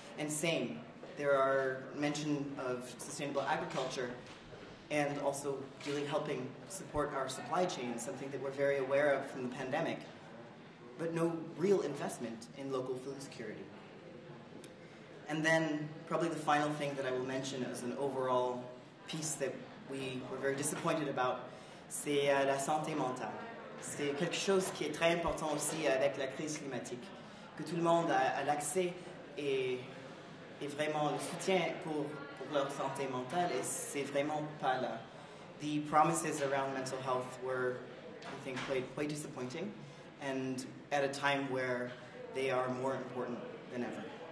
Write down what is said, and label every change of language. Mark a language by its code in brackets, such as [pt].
[en] And same, there are mention of sustainable agriculture and also really helping support our supply chain, something that we're very aware of from the pandemic, but no real investment in local food security. And then probably the final thing that I will mention as an overall piece that we were very disappointed about, [fr] c'est la santé mentale. C'est quelque chose qui est très important aussi avec la crise climatique. Que tout le monde a l'accès et vraiment le soutien pour leur santé mentale, et c'est vraiment pas là. [en] The promises around mental health were, I think, quite disappointing, and at a time where they are more important than ever.